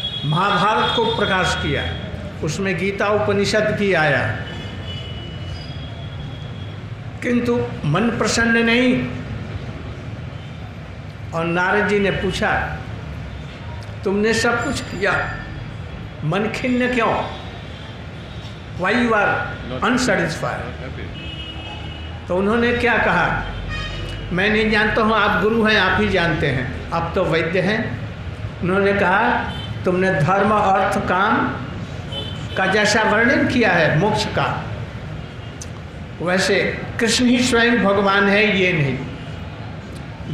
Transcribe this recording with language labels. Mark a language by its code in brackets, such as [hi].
[hi] महाभारत को प्रकाश किया, उसमें गीता उपनिषद भी आया, किंतु मन प्रसन्न नहीं। और नारद जी ने पूछा, तुमने सब कुछ किया, मन खिन्न क्यों? [en] Why you are unsatisfied? [hi] तो उन्होंने क्या कहा, मैं नहीं जानता हूँ, आप गुरु हैं, आप ही जानते हैं, आप तो वैद्य हैं। उन्होंने कहा, तुमने धर्म अर्थ काम का जैसा वर्णन किया है मोक्ष का, वैसे कृष्ण ही स्वयं भगवान है, ये नहीं।